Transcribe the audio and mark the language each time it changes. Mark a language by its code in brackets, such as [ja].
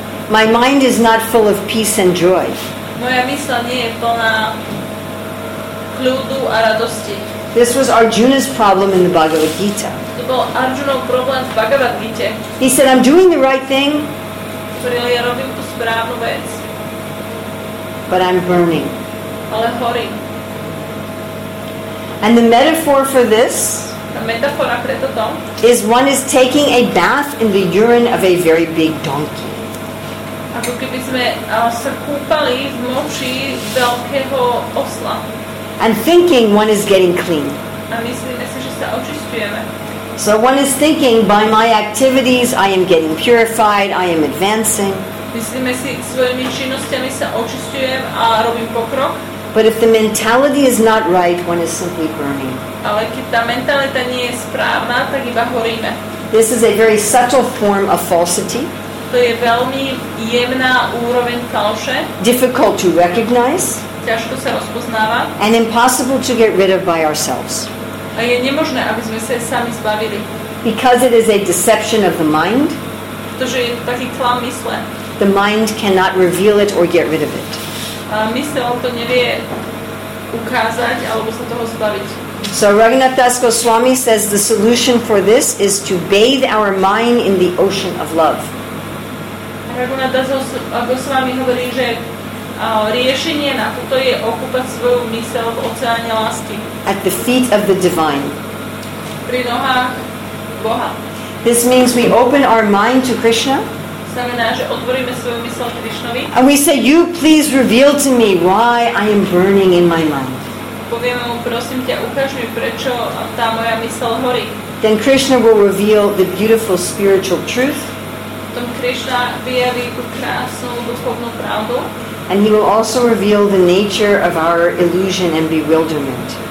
[en] My mind is not full of peace and joy. [sk] Moja mysl nie je plná kľudu a radosti. [en] This was Arjuna's problem in the Bhagavad Gita. [sk] To bol Arjunov problém v Bhagavad Gita. [en] He said, I'm doing the right thing. [sk] Ktorý ja robím tú správnu vec. [en] But I'm burning. [sk] Ale horím. [en] And the metaphor for this, [sk] a metafora pre toto, [en] is one is taking a bath in the urine of a very big donkey. [sk] A ako keby sme sa kúpali v moči veľkého osla. [en] And thinking one is getting clean. [sk] A myslíme si, že sa očistujeme. [en] So one is thinking, by my activities I am getting purified, I am advancing. [sk] Myslíme si, svojimi činnostiami sa očistujem a robím pokrok. [en] But if the mentality is not right, one is simply burning. [sk] Ale keď tá mentalita nie je správna, tak iba horíme. [en] This is a very subtle form of falsity. [sk] To je veľmi jemná úroveň falše. [en] Difficult to recognize. [sk] Ťažko sa rozpoznáva. [en] And impossible to get rid of by ourselves. [sk] A je nemožné, aby sme sa sami zbavili. [en] Because it is a deception of the mind. [sk] Pretože je to taký klam mysle. [en] The mind cannot reveal it or get rid of it. [sk] A mysel to nevie ukázať alebo sa toho zbaviť. [en] So Raghunath Das Goswami says the solution for this is to bathe our mind in the ocean of love. [sk] Raghunath Das Goswami hovorí, že riešenie na toto je okúpať svoju mysel v oceáne lásky. [en] At the feet of the divine. [sk] Pri nohách Boha. [en] This means we open our mind to Krishna. [sk] Znamená, že otvoríme svoju mysel Krishnovi. [en] And we say, you please reveal to me why I am burning in my mind. [sk] Povieme mu, prosím ťa, ukáž mi, prečo tá moja mysel horí. [en] Then Krishna will reveal the beautiful spiritual truth. [sk] Tom Krishna vyjaví tú krásnu duchovnú pravdu. [en] And he will also reveal the nature of our illusion and bewilderment.